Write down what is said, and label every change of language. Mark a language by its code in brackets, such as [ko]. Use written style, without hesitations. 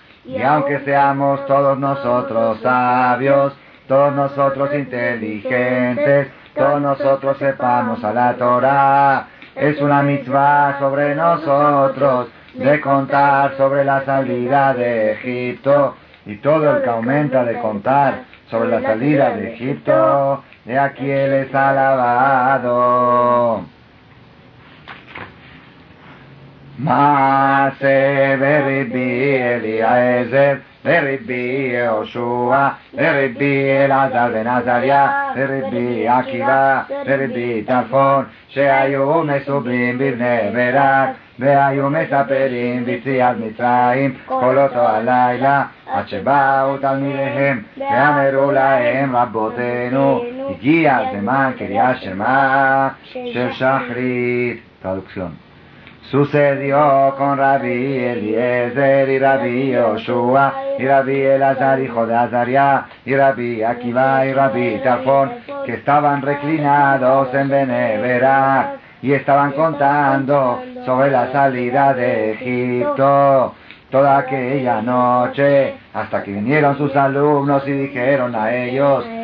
[es] Y aunque seamos todos nosotros sabios, todos nosotros inteligentes, todos nosotros sepamos a la Torah, es una mitzvah sobre nosotros de contar sobre la salida de Egipto, y todo el que aumenta de contar sobre la salida de Egipto, de aquí él es alabado. [he] Mase beribi Eliezer, beribi Yehoshua, beribi Elazar ben Azaria, beribi Akiva, beribi Tarfon, שהיו מסובים בבני ברק, והיו מספרים ביציאת מצרים, כל אותו הלילה, עד שבאו תלמידיהם, ואמרו להם רבותינו, הגיע זמן קריאת שמע של שחרית. טלוקסיון. [es] Sucedió con Rabí Eliezer y Rabí Yoshua y Rabí Elazar hijo de Azaria y Rabí Akiva y Rabí Tarfón, que estaban reclinados en Benevera y estaban contando sobre la salida de Egipto toda aquella noche, hasta que vinieron sus alumnos y dijeron a ellos: